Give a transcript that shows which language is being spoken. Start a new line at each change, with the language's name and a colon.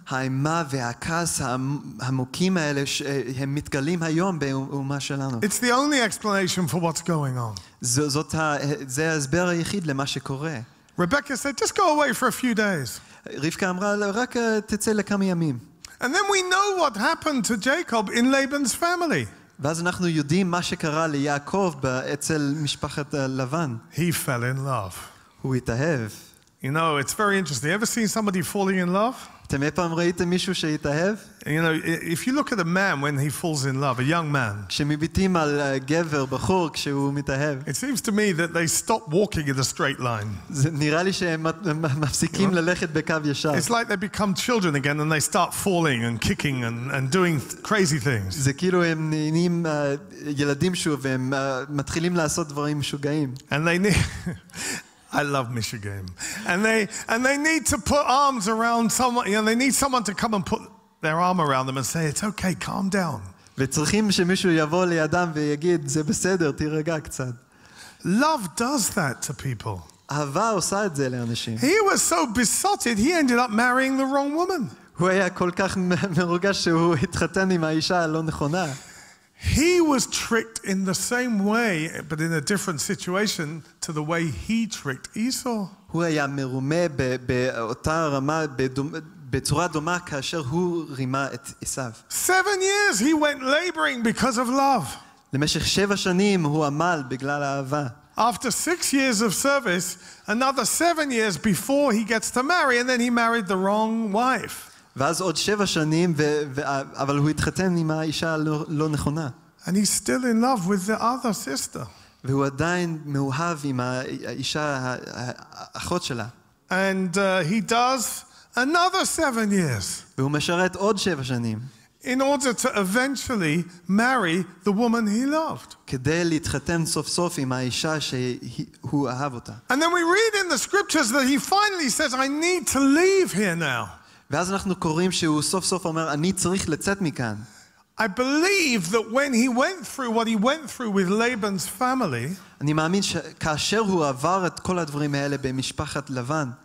Hebrew: האימה והכעס העמוקים האלה הם מתגלים היום באומה שלנו.
English: It's the only explanation for what's going on.
Hebrew: זה ההסבר היחיד למה שקורה.
English: Rebecca said, just go away for a few days.
Hebrew: רבקה אמרה רק תצא לכמה ימים.
English: And then we know what happened to Jacob in Laban's family.
Hebrew: ואז אנחנו יודעים מה שקרה ליעקב אצל משפחת לבן.
English: He fell in love.
Hebrew: הוא התאהב.
English: You know, it's very interesting. Ever seen somebody falling in love?
Hebrew: אתם אי פעם ראיתם מישהו שהתאהב?
English: You know, if you look at a man when he falls in love, a young man.
Hebrew: כשמביטים על גבר, בחור, כשהוא מתאהב.
English: It seems to me that they stop walking in a straight line.
Hebrew: זה נראה לי שהם מפסיקים ללכת בקו ישר.
English: It's like they become children again and they start falling and kicking and doing crazy things.
Hebrew: זה כאילו הם נהנים ילדים שוב והם מתחילים לעשות דברים משוגעים.
English: And they need... I love Michigan. And they need to put arms around someone, you know, they need someone to come and put their arm around them and say, it's okay, calm down.
Hebrew: וצריכים שמישהו יבוא לידם ויגיד, זה בסדר, תירגע קצת.
English: Love does that to people.
Hebrew: אהבה עושה את זה לאנשים.
English: He was so besotted, he ended up marrying the wrong woman.
Hebrew: הוא היה כל כך מרוגש שהוא התחתן עם האישה הלא נכונה.
English: He was tricked in the same way, but in a different situation to the way he tricked Esau.
Hebrew: הוא היה מרומה באותה רמה, בצורה דומה כאשר הוא רימה את עשיו.
English: 7 years he went laboring because of love.
Hebrew: למשך 7 שנים הוא עמל בגלל אהבה.
English: After 6 years of service, another 7 years before he gets to marry, and then he married the wrong wife.
Hebrew: ואז עוד 7 שנים, אבל הוא התחתן עם האישה לא נכונה.
English: And he's still in love with the other sister.
Hebrew: והוא עדיין מאוהב עם האישה האחות שלה.
English: And he does another 7 years.
Hebrew: והוא משרת עוד 7 שנים.
English: In order to eventually marry the woman he loved.
Hebrew: כדי להתחתן סוף סוף עם האישה שהוא אהב אותה.
English: And then we read in the scriptures that he finally says, I need to leave here now.
Hebrew: ואז אנחנו קוראים שהוא סוף סוף אומר אני צריך לצאת מכאן.
English: I believe that when he went through what he went through with Laban's family,
Hebrew: אני מאמין שכאשר הוא עבר את כל הדברים האלה במשפחת לבן,